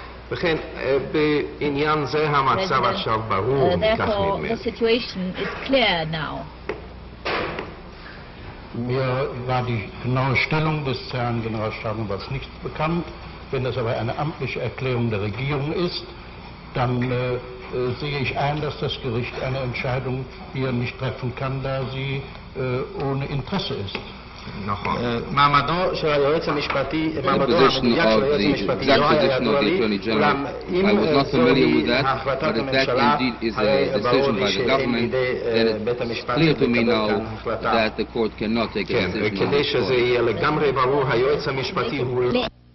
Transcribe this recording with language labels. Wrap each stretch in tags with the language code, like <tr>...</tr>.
<he>וכן, בעניין זה המצב עכשיו ברור, כך נדמה.</he> <en>The situation is clear now.</en> <de>Mir war die genaue Stellung des Herrn Generalstaatsanwalts nicht bekannt. Wenn das aber eine amtliche Erklärung der Regierung ist, dann sehe ich ein, dass das Gericht eine Entscheidung hier nicht treffen kann, da sie ohne Interesse ist.</de> <en>The position of the exact position of the Attorney General, I was not familiar with that, but if that indeed is a decision by the government, then it's clear to me now that the court cannot take a decision on the court.</en>